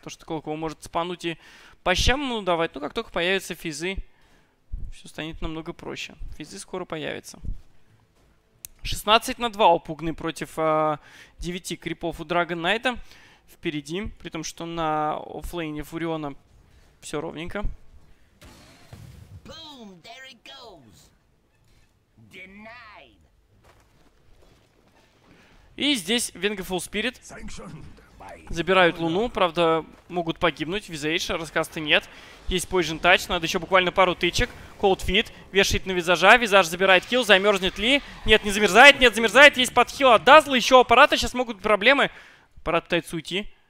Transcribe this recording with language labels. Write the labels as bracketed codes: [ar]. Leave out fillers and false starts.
[ru] То, что Клок его может спануть и по щам ему давать. Но как только появятся физы, все станет намного проще. Физы скоро появятся. 16 на 2 у Пугны против 9 крипов у Dragon Knight впереди. При том, что на оффлейне Фуриона все ровненько. [en] Boom, there it goes. [ru] Denied. И здесь Vengeful Spirit. Забирают Луну, правда, могут погибнуть. Визейдж, раскасты нет. Есть Poison Touch, надо еще буквально пару тычек. Cold Feet, вешает на Визажа. Визаж забирает килл, замерзнет Ли. Нет, не замерзает, нет, замерзает. Есть подхил от Дазла, еще аппарата, сейчас могут быть проблемы. Аппарат пытается уйти.